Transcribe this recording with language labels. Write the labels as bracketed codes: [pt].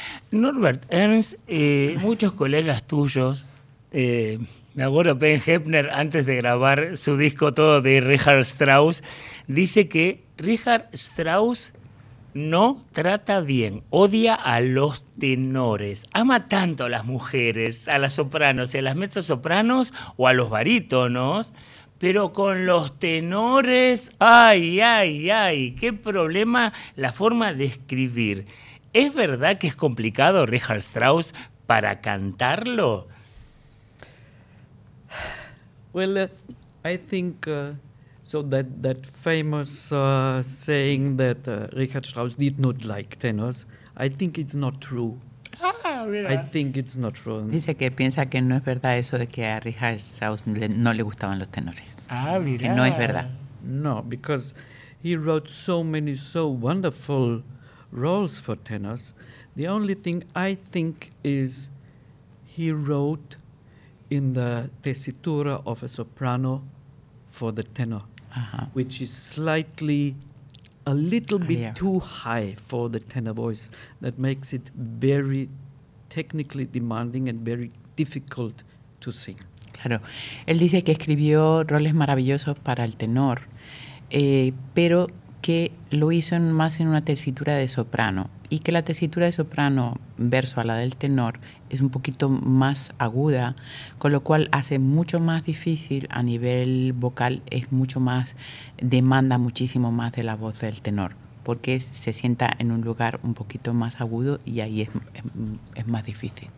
[es] Norbert Ernst, muchos colegas tuyos, me acuerdo Ben Hepner, antes de grabar su disco todo de Richard Strauss, dice que Richard Strauss no trata bien, odia a los tenores, ama tanto a las mujeres, a las sopranos, a las mezzosopranos o a los barítonos, pero con los tenores, ¡ay, ay, ay! ¡Qué problema la forma de escribir! ¿Es verdad que es complicado Richard Strauss para cantarlo? [en] Well, I think... So that famous saying that Richard Strauss did not like tenors, I think it's not true. [es] Ah, mira. [en] I think it's not true. [es] Dice que piensa que no es verdad eso de que a Richard Strauss no le gustaban los tenores. Ah, mira. Que no es verdad. [en] No, because he wrote so many so wonderful roles for tenors. The only thing I think is he wrote in the tessitura of a soprano for the tenor. Uh-huh. Which is slightly, a little bit too high for the tenor voice. That makes it very technically demanding and very difficult to sing. [es] Claro. Él dice que escribió roles maravillosos para el tenor, pero que lo hizo más en una tesitura de soprano. Y que la tesitura de soprano verso a la del tenor es un poquito más aguda, con lo cual hace mucho más difícil a nivel vocal, es mucho más, demanda muchísimo más de la voz del tenor, porque se sienta en un lugar un poquito más agudo y ahí es más difícil.